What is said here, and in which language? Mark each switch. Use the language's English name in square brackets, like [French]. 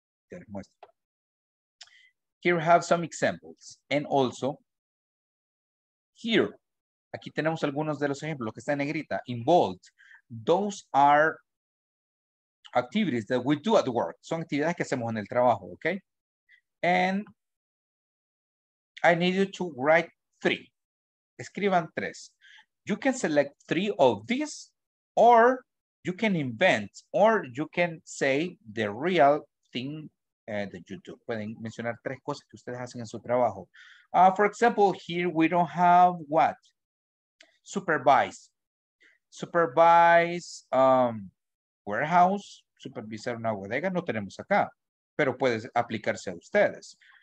[Spanish] Te muestro. [English] Here have some examples. And also, here, [Spanish] aquí tenemos algunos de los ejemplos que están en negrita, [English] in bold. Those are activities that we do at work. [Spanish] Son actividades que hacemos en el trabajo, okay? [English] And I need you to write three. [Spanish] Escriban tres. [English] You can select three of these, or you can invent, or you can say the real thing that you do. [Spanish] Pueden mencionar tres cosas que ustedes hacen en su trabajo. [English] For example, here we don't have what? Supervise. Supervise warehouse. [Spanish] Supervisar una bodega. No tenemos acá. Pero puede aplicarse a ustedes.